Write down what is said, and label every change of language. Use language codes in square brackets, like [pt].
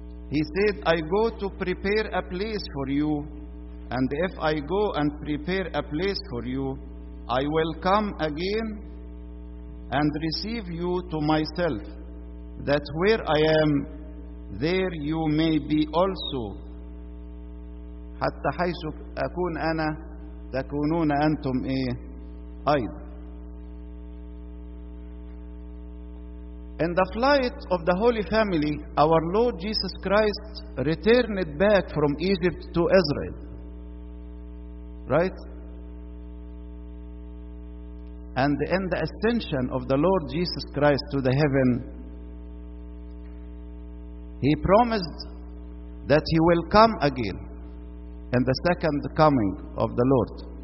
[en] He said, I go to prepare a place for you, and if I go and prepare a place for you, I will come again and receive you to myself, that where I am, there you may be also. [ar] حتى حيث أكون أنا تكونون أنتم أيضا. [en] In the flight of the Holy Family, our Lord Jesus Christ returned back from Egypt to Israel. Right? And in the ascension of the Lord Jesus Christ to the heaven, he promised that he will come again in the second coming of the Lord.